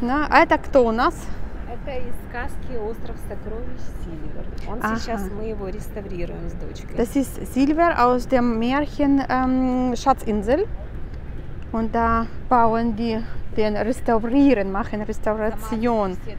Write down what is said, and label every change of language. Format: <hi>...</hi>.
<ru>Ne? А это кто у нас? Это из сказки «Остров сокровищ Сильвер». Он сейчас, мы его реставрируем с дочкой.</ru> <de>Das ist Silver aus dem Märchen Schatzinsel. Und da bauen die den Restaurieren, machen Restauration.</de>